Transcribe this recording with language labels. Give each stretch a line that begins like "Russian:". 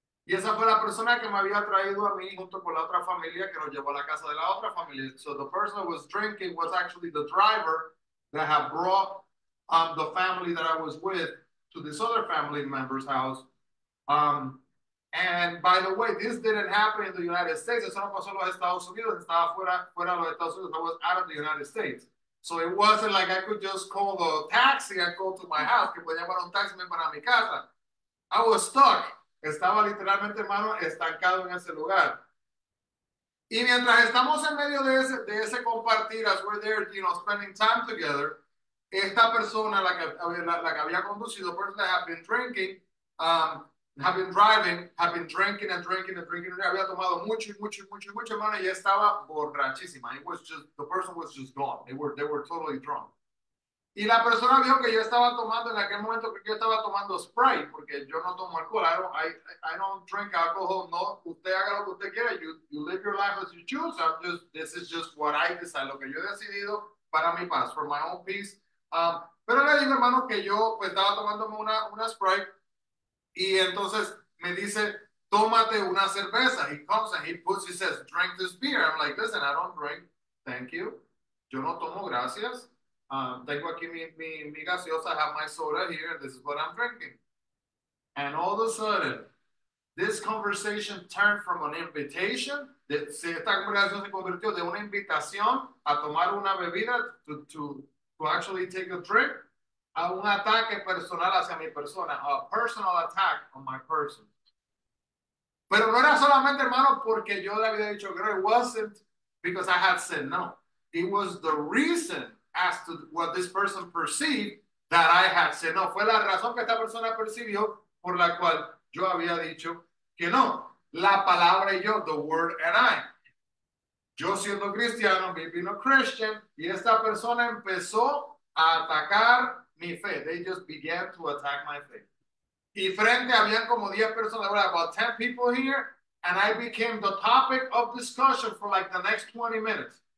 Spanish: Y esa fue la persona que me había traído a mí junto con la otra familia que nos llevó a la casa de la otra familia.
English: So the person who was drinking was actually the driver that had brought the family that I was with to this other family member's house. And by the way, this didn't happen in the United States.
Spanish: Eso no pasó en los Estados Unidos. Estaba fuera de los Estados Unidos.
English: I was out of the United States. So it wasn't like I could just call the taxi and go to my house.
Spanish: Que podía llamar un taxi para mi casa.
English: I was stuck.
Spanish: Estaba literalmente, hermano, estancado en ese lugar. Y mientras estamos en medio de ese compartir,
English: as we're there, spending time together,
Spanish: esta persona, la que había conducido,
English: person that had been drinking, had been driving, had been drinking and drinking
Spanish: and drinking, había tomado mucho y mucho y mucho y mucho, hermano, y estaba borrachísima.
English: It was just, the person was just gone. They were totally drunk.
Spanish: Y la persona vio que yo estaba tomando, en aquel momento creo que yo estaba tomando Sprite, porque yo no tomo alcohol,
English: I don't drink alcohol,
Spanish: no, usted haga lo que usted quiera,
English: you live your life as you choose, this is just what I decide,
Spanish: lo que yo he decidido para mi paz,
English: for my own peace,
Spanish: Pero le dije, hermano, que yo pues estaba tomándome una Sprite y entonces me dice, tómate una cerveza.
English: He comes and he says, drink this beer. I'm like, listen, I don't drink. Thank you.
Spanish: Yo no tomo, gracias. Tengo aquí mi gaseosa.
English: I have my soda here. This is what I'm drinking. And all of a sudden, this conversation turned from an invitation.
Spanish: Esta conversación se convirtió de una invitación a tomar una bebida
English: to actually take a drink,
Spanish: a un ataque personal hacia mi persona,
English: a personal attack on my person.
Spanish: Pero no era solamente, hermano, porque yo le había dicho,
English: it wasn't because I had said no. It was the reason as to what this person perceived that I had said no.
Spanish: Fue la razón que esta persona percibió por la cual yo había dicho que no. La palabra y yo,
English: the word and I.
Spanish: Yo siendo cristiano,
English: being a Christian,
Spanish: y esta persona empezó a atacar mi fe.
English: They just began to attack my faith.
Spanish: Y frente habían como 10 personas,
English: about 10 people here, and I became the topic of discussion for like the next 20 minutes.